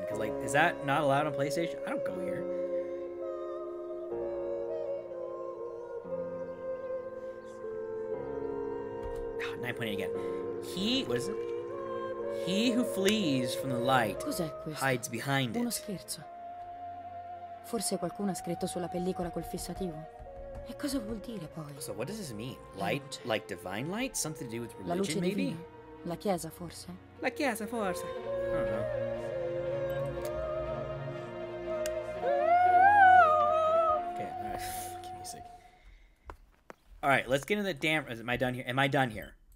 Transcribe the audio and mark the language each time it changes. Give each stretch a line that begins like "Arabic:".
English: Because like, is that not allowed on PlayStation? I don't go here. I'm pointing again. He, what is it? He who flees from the light hides behind it.
Italian: Uno scherzo. Forse qualcuno ha scritto sulla pellicola col fissativo. E cosa vuol dire poi?
English: So what does this mean? Light, like divine light? Something to do with religion,
Italian: la luce
English: maybe?
Italian: Divina. La chiesa, forse. La chiesa, forse.
English: I don't know. Okay, alright. Fucking music. Alright, let's get into the damn... Am I done here? Am I done here?